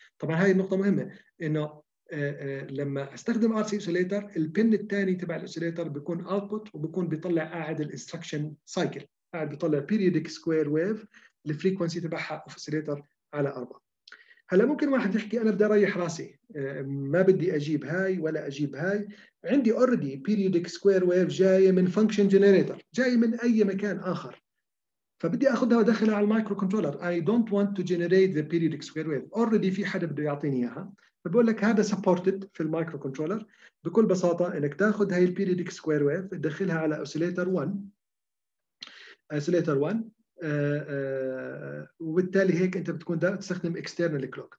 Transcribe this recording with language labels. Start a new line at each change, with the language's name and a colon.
Arabic: طبعا هاي النقطة مهمة انه لما استخدم RC oscillator البن الثاني تبع الاوسيليتر بيكون output وبكون بيطلع قاعد الانستركشن سايكل، قاعد بيطلع periodic square wave الفريكوانسي تبعها اوف اوسيليتر على 4. هلا ممكن واحد يحكي انا بدي اريح راسي، ما بدي اجيب هاي ولا اجيب هاي، عندي already periodic square wave جاية من function generator، جاية من اي مكان اخر، فبدي اخذها وادخلها على المايكرو كنترولر.
English: I don't want to generate the periodic square wave.
Arabic: Already في حدا بده يعطيني اياها. فبقول لك هذا supported في المايكرو كنترولر. بكل بساطة انك تاخذ هاي البيريودك سكوير ويف تدخلها على اوسيليتر 1. اوسيليتر 1 وبالتالي هيك انت بتكون تستخدم external clock.